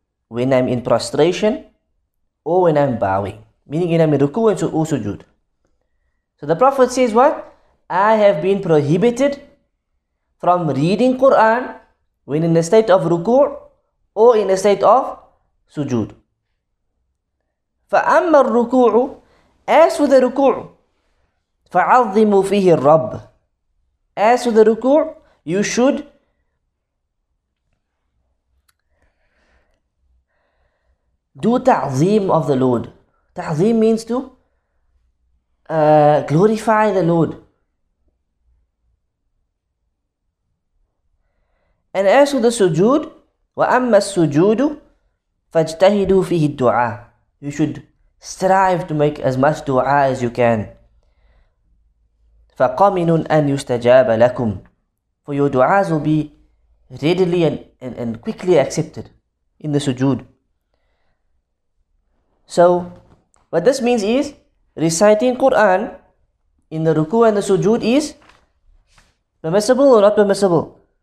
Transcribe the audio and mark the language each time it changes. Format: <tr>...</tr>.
<en>When I'm in prostration or when I'm bowing. Meaning when I'm in ruku and sujood. So the Prophet says what? I have been prohibited from reading Quran when in a state of ruku or in a state of sujood.</en> <ar>فأما الركوع,</ar> <en>as for the</en> <ar>ركوع, فعظموا فيه الرب.</ar> <en>As for the ركوع, you should do تعظيم of the Lord. تعظيم means to glorify the Lord. And as for the</en> <ar>سجود, وأما السجود, فاجتهدوا فيه الدعاء.</ar> <en>You should strive to make as much dua as you can.</en> <ar>فَقَمِنٌ أَنْ يُسْتَجَابَ لَكُمْ.</ar> <en>For your du'as will be readily and quickly accepted in the sujood. So, what this means is, reciting Qur'an in the ruku and the sujood is permissible or not permissible?</en>